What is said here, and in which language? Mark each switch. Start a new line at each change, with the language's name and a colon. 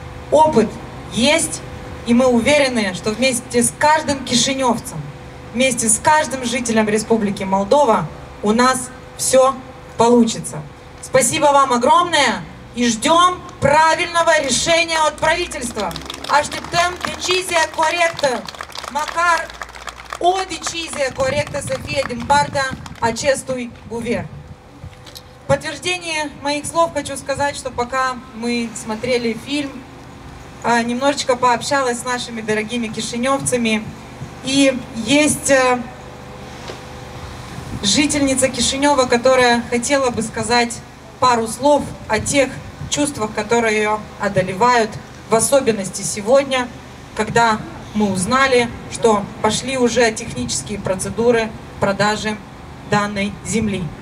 Russian: Опыт есть, и мы уверены, что вместе с каждым кишиневцем, вместе с каждым жителем Республики Молдова у нас все получится. Спасибо вам огромное и ждем правильного решения от правительства.
Romanian: Așteptăm decizia corectă, măcar o decizie corectă să fie din partea acestui guvern.
Russian: В подтверждение моих слов хочу сказать, что пока мы смотрели фильм, немножечко пообщалась с нашими дорогими кишиневцами. И есть жительница Кишинева, которая хотела бы сказать пару слов о тех чувствах, которые ее одолевают, в особенности сегодня, когда мы узнали, что пошли уже технические процедуры продажи данной земли.